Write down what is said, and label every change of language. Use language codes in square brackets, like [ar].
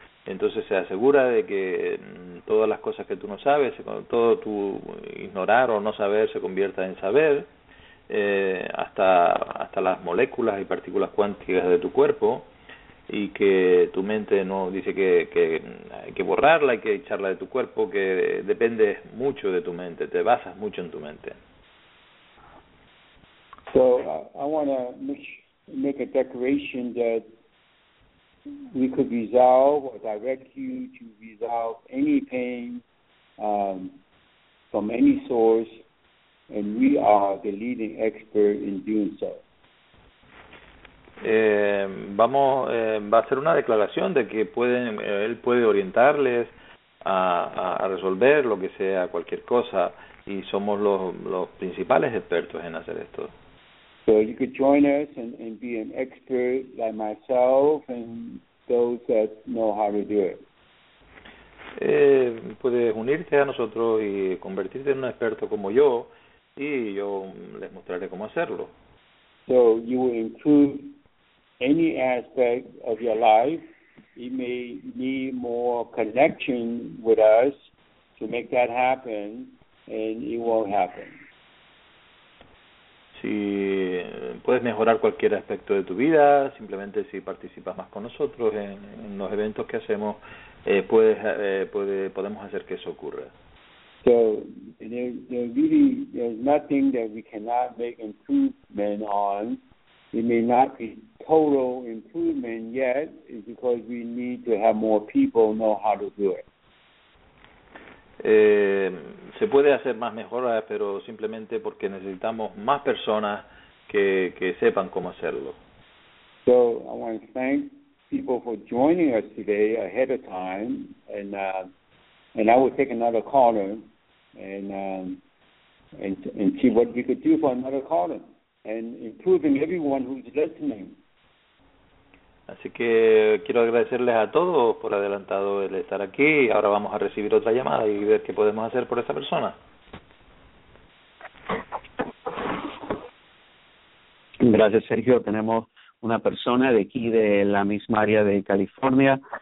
[es] Entonces se asegura de que todas las cosas que tú no sabes, todo tu ignorar o no saber se convierta en saber, hasta las moléculas y partículas cuánticas de tu cuerpo, y que tu mente no dice que hay que borrarla, hay que echarla de tu cuerpo, que depende mucho de tu mente, te basas mucho en tu mente. [en] So I want to make a declaration that we could resolve or direct you to resolve any pain from any source, and we are the leading expert in doing so. [es] Va a hacer una declaración de que él puede orientarles a resolver lo que sea, cualquier cosa, y somos los principales expertos en hacer esto. [en] So you could join us and be an expert like myself and those that know how to do it. [es] Puedes unirte a nosotros y convertirte en un experto como yo, y yo les mostraré cómo hacerlo. [en] So you will include any aspect of your life. You may need more connection with us to make that happen, and it won't happen. [es] Si puedes mejorar cualquier aspecto de tu vida, simplemente si participas más con nosotros en los eventos que hacemos, podemos hacer que eso ocurra. [en] So there's nothing that we cannot make improvement on. It may not be total improvement yet, it's because we need to have more people know how to do it. [es] Se puede hacer más mejoras, pero simplemente porque necesitamos más personas que sepan cómo hacerlo. [en] So I want to thank people for joining us today ahead of time, and I will take another caller and see what we could do for another caller and improving everyone who's listening. [es] Así que quiero agradecerles a todos por adelantado el estar aquí. Ahora vamos a recibir otra llamada y ver qué podemos hacer por esta persona. Gracias, Sergio. Tenemos una persona de aquí, de la misma área de California.